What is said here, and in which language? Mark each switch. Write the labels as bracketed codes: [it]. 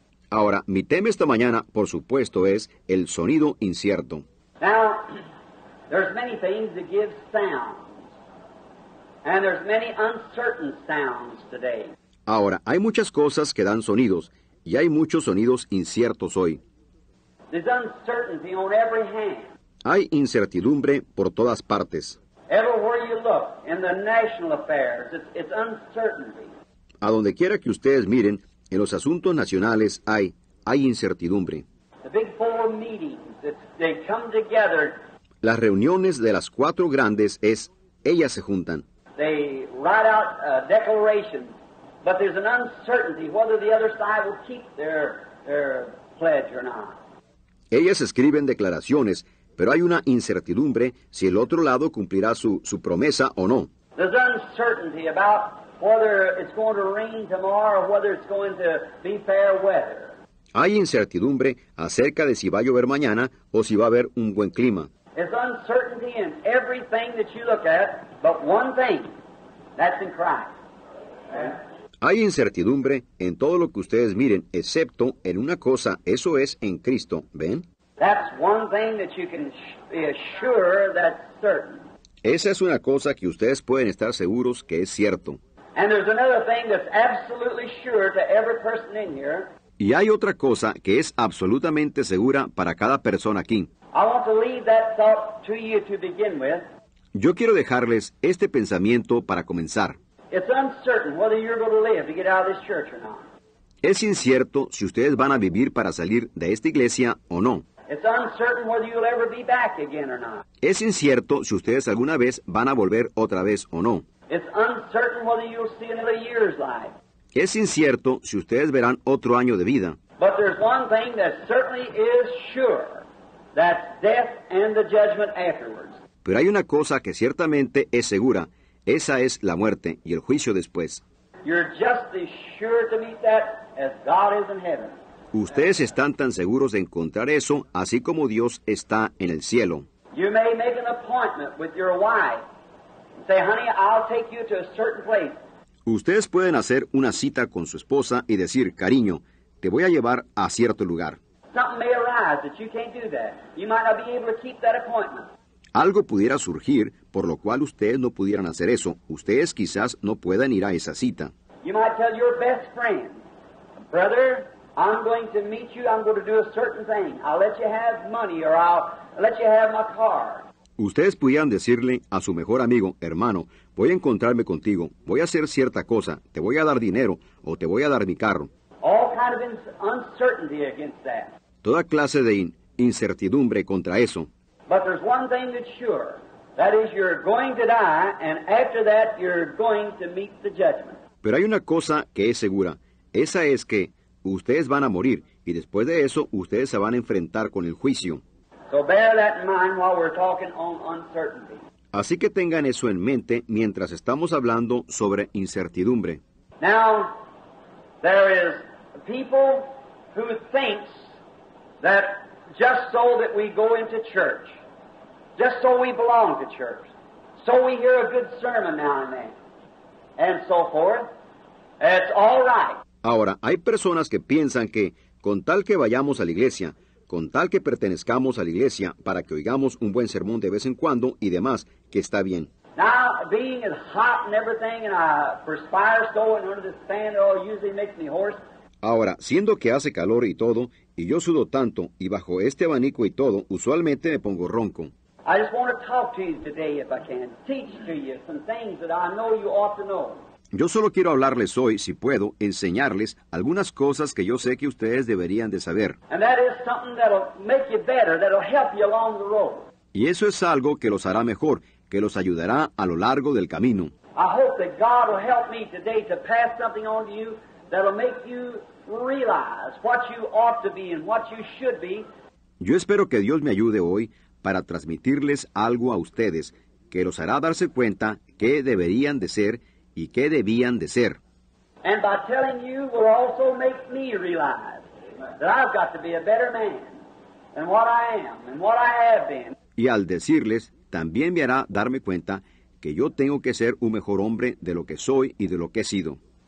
[es] Ahora, mi tema esta mañana, por supuesto, es el sonido incierto. [en] Now, there's many things that give sounds, and there's many uncertain sounds today. [es] Ahora, hay muchas cosas que dan sonidos, y hay muchos sonidos inciertos hoy. [en] There's uncertainty on every hand. [es] Hay incertidumbre por todas partes. [en] Everywhere you look, in the national affairs, it's uncertainty. [es] A donde quiera que ustedes miren, en los asuntos nacionales hay incertidumbre. [en] The big four meetings, they come together. [es] Las reuniones de las cuatro grandes ellas se juntan. [en] They write out a declaration. But there's an uncertainty whether the other side will keep their pledge or not. [es] Ellas escriben declaraciones, pero hay una incertidumbre si el otro lado cumplirá su promesa o no. [en] There's uncertainty about whether it's going to rain tomorrow or whether it's going to be fair weather. [es] Hay incertidumbre acerca de si va a llover mañana o si va a haber un buen clima. [en] There's uncertainty in everything that you look at, but one thing, that's in Christ. Amen. [es] Hay incertidumbre en todo lo que ustedes miren, excepto en una cosa, eso es en Cristo, ¿ven? [en] That's one thing that you can be sure that's certain. [es] Esa es una cosa que ustedes pueden estar seguros que es cierto. [en] And there's another thing that's absolutely sure to every person in here. [es] Y hay otra cosa que es absolutamente segura para cada persona aquí. [en] I want to leave that thought to you to begin with. [es] Yo quiero dejarles este pensamiento para comenzar. [en] It's uncertain whether you're going to live to get out of this church or not. [es] Es incierto si ustedes van a vivir para salir de esta iglesia o no. [en] It's uncertain whether you'll ever be back again or not. [es] Es incierto si ustedes alguna vez van a volver otra vez o no. [en] It's uncertain whether you'll see another year's life. [es] Es incierto si ustedes verán otro año de vida. [en] But there's one thing that certainly is sure. That's death and the judgment afterwards. [es] Pero hay una cosa que ciertamente es segura. Esa es la muerte y el juicio después. [en] You're just as sure to meet that as God is in heaven. [es] Ustedes están tan seguros de encontrar eso, así como Dios está en el cielo. [en] You may make an appointment with your wife. Say, honey, I'll take you to a certain place. [es] Ustedes pueden hacer una cita con su esposa y decir, cariño, te voy a llevar a cierto lugar. [en] Something may arise that you can't do that. You might not be able to keep that appointment. [es] Algo pudiera surgir, por lo cual ustedes no pudieran hacer eso. Ustedes quizás no puedan ir a esa cita. [en] You might tell your best friend, brother, I'm going to meet you, I'm going to do a certain thing. I'll let you have money or I'll let you have my car. [es] Ustedes pudieran decirle a su mejor amigo, hermano, voy a encontrarme contigo, voy a hacer cierta cosa, te voy a dar dinero o te voy a dar mi carro. [en] All kind of uncertainty against that. [es] Toda clase de incertidumbre contra eso. [en] But there's one thing that's sure. That is, you're going to die, and after that, you're going to meet the judgment. [es] Pero hay una cosa que es segura. Esa es que ustedes van a morir, y después de eso, ustedes se van a enfrentar con el juicio. [en] So bear that in mind while we're talking on uncertainty. [es] Así que tengan eso en mente mientras estamos hablando sobre incertidumbre. [en] Now, there is people who thinks that just so that we go into church, just so we belong to church, so we hear a good sermon now and then, and so forth, it's all right. [es] Ahora, hay personas que piensan que con tal que vayamos a la iglesia, con tal que pertenezcamos a la iglesia para que oigamos un buen sermón de vez en cuando y demás, que está bien. [en] Now, being as hot and everything, and I perspire so and under the fan, it all usually makes me hoarse. [es] Ahora, siendo que hace calor y todo, y yo sudo tanto, y bajo este abanico y todo, usualmente me pongo ronco. [en] I just want to talk to you today, if I can, teach to you some things that I know you ought to know. [es] Yo solo quiero hablarles hoy, si puedo, enseñarles algunas cosas que yo sé que ustedes deberían de saber. [en] And that is something that'll make you better, that'll help you along the road. [es] Y eso es algo que los hará mejor, que los ayudará a lo largo del camino. [en] I hope that God will help me today to pass something on to you that'll make you realize what you ought to be and what you should be. [es] Yo espero que Dios me ayude hoy para transmitirles algo a ustedes que los hará darse cuenta qué deberían de ser y qué debían de ser. [en] And by telling you will also make me realize that I've got to be a better man than what I am and what I have been. [es] Y al decirles, también me hará darme cuenta que yo tengo que ser un mejor hombre de lo que soy y de lo que he sido.